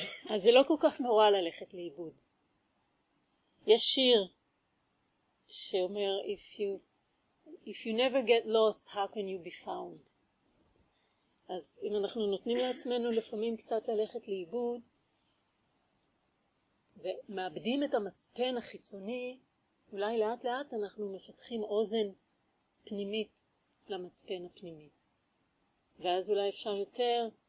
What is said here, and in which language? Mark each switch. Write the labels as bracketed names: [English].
[Hebrew] אז זה לא כל כך נורא ללכת לאיבוד. יש שיר שאומר, [English] if you never get lost, how can you be found? [Hebrew] אז אם אנחנו נותנים לעצמנו לפעמים קצת ללכת לאיבוד ומאבדים את המצפן החיצוני, אולי לאט לאט אנחנו מפתחים אוזן פנימית למצפן הפנימי, ואז אולי אפשר יותר